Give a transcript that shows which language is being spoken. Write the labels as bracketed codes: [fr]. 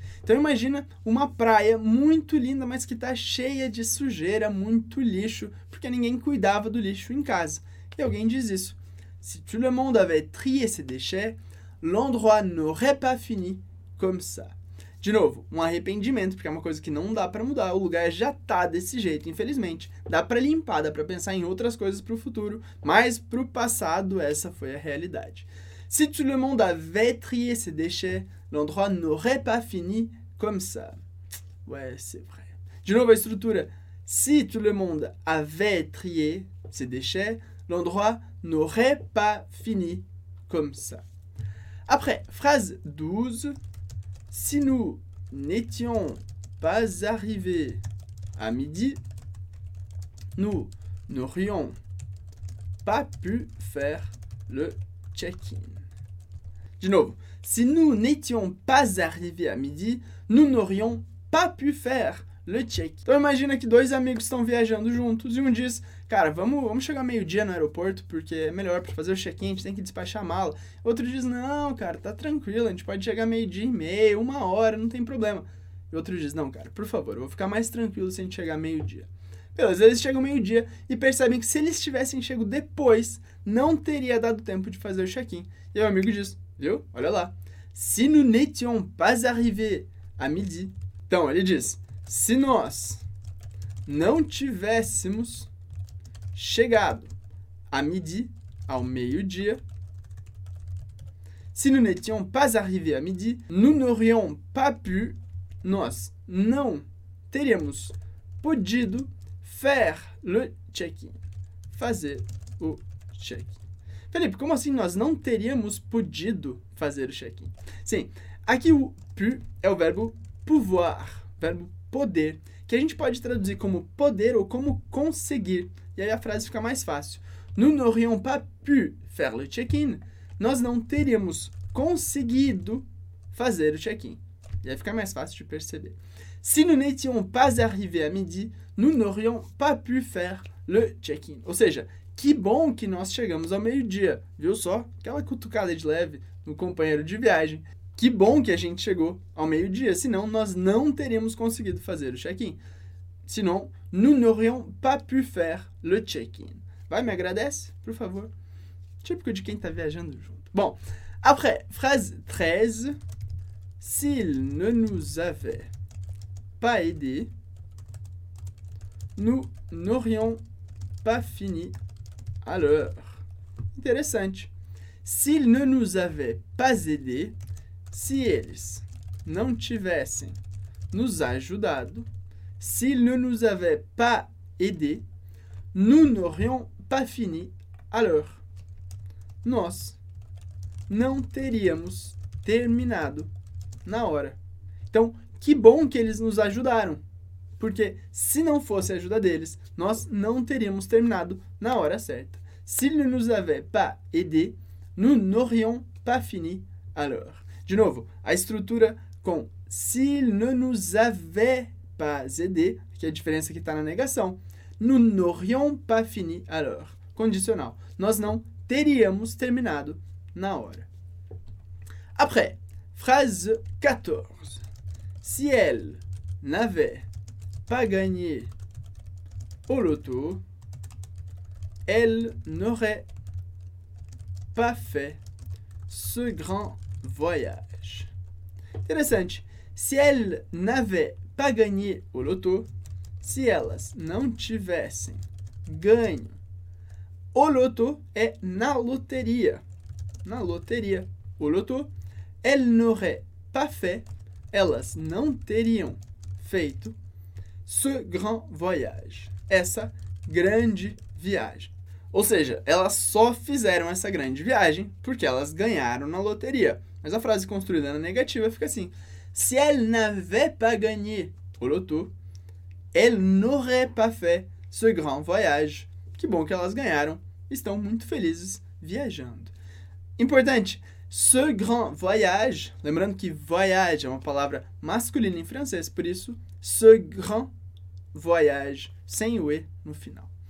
[pt] Então imagina uma praia muito linda, mas que está cheia de sujeira, muito lixo, porque ninguém cuidava do lixo em casa. E alguém diz isso. [fr] Si tout le monde avait trié ses déchets, l'endroit n'aurait pas fini comme ça. [pt] De novo, um arrependimento, porque é uma coisa que não dá para mudar. O lugar já está desse jeito, infelizmente. Dá para limpar, dá para pensar em outras coisas para o futuro, mas para o passado essa foi a realidade. [fr] Si tout le monde avait trié ses déchets, l'endroit n'aurait pas fini comme ça. Ouais, c'est vrai. [pt] De novo, a estrutura. [fr] Si tout le monde avait trié ses déchets, l'endroit n'aurait pas fini comme ça. Après, phrase 12. Si nous n'étions pas arrivés à midi, nous n'aurions pas pu faire le check-in. [pt] De novo, [fr] si nous n'étions pas arrivés à midi, nous n'aurions pas pu faire le check-in. [pt] Então imagina que dois amigos estão viajando juntos e um diz, cara, vamos chegar meio-dia no aeroporto, porque é melhor para fazer o check-in, a gente tem que despachar a mala. Outro diz, não, cara, tá tranquilo, a gente pode chegar meio-dia e meia, uma hora, não tem problema. E outro diz, não, cara, por favor, eu vou ficar mais tranquilo se a gente chegar meio-dia. Pelo menos eles chegam meio-dia e percebem que se eles tivessem chego depois, não teria dado tempo de fazer o check-in. E o amigo diz, viu? Olha lá. [fr] Si nous n'étions pas arrivés à midi. [pt] Então, ele diz, se nós não tivéssemos chegado à midi, ao meio-dia, [fr] si nous n'étions pas arrivés à midi, nous n'aurions pas pu, [pt] nós não teríamos podido [fr] faire le check-in. [pt] Fazer o check-in. Felipe, como assim nós não teríamos podido fazer o check-in? Sim, aqui o pu é o verbo pouvoir, verbo poder, que a gente pode traduzir como poder ou como conseguir. E aí a frase fica mais fácil. [fr] Nous n'aurions pas pu faire le check-in. [pt] Nós não teríamos conseguido fazer o check-in. E aí fica mais fácil de perceber. [fr] Si nous n'étions pas arrivés à midi, nous n'aurions pas pu faire le check-in. [pt] Ou seja, que bom que nós chegamos ao meio-dia, viu só? Aquela cutucada de leve no companheiro de viagem. Que bom que a gente chegou ao meio-dia, senão nós não teríamos conseguido fazer o check-in. Senão, [fr] nous n'aurions pas pu faire le check-in. [pt] Vai, me agradece, por favor. Típico de quem tá viajando junto. Bom, [fr] après, phrase 13. S'il ne nous avait pas aidés, nous n'aurions pas fini à l'heure. [pt] Interessante. [fr] S'il ne nous avait pas aidés, [pt] se eles não tivessem nos ajudado, [fr] s'il ne nous avait pas aidés, nous n'aurions pas fini à l'heure. [pt] Nós não teríamos terminado na hora. Então, que bom que eles nos ajudaram, porque se não fosse a ajuda deles, nós não teríamos terminado na hora certa. [fr] S'il ne nous avait pas aidés, nous n'aurions pas fini à l'heure. [pt] De novo, a estrutura com [fr] s'il ne nous avait pas aidés, [pt] que a diferença que está na negação, [fr] nous n'aurions pas fini à l'heure. [pt] Condicional. Nós não teríamos terminado na hora. [fr] Après, phrase 14. Si elle n'avait pas gagné au loto, elle n'aurait pas fait ce grand voyage. [pt] Interessante. [fr] Si elle n'avait pas gagné au loto, [pt] se elas não tivessem ganho, o loto é na loteria. Na loteria. O loto. [fr] Elle n'aurait pas fait. [pt] Elas não teriam feito. [fr] Ce grand voyage. [pt] Essa grande viagem. Ou seja, elas só fizeram essa grande viagem porque elas ganharam na loteria. Mas a frase construída na negativa fica assim: [fr] Si elle n'avait pas gagné au loto, elle n'aurait pas fait ce grand voyage. [pt] Que bom que elas ganharam. Estão muito felizes viajando. Importante, [fr] ce grand voyage, [pt] lembrando que voyage é uma palavra masculina em francês, por isso, ce grand voyage, sem o E no final.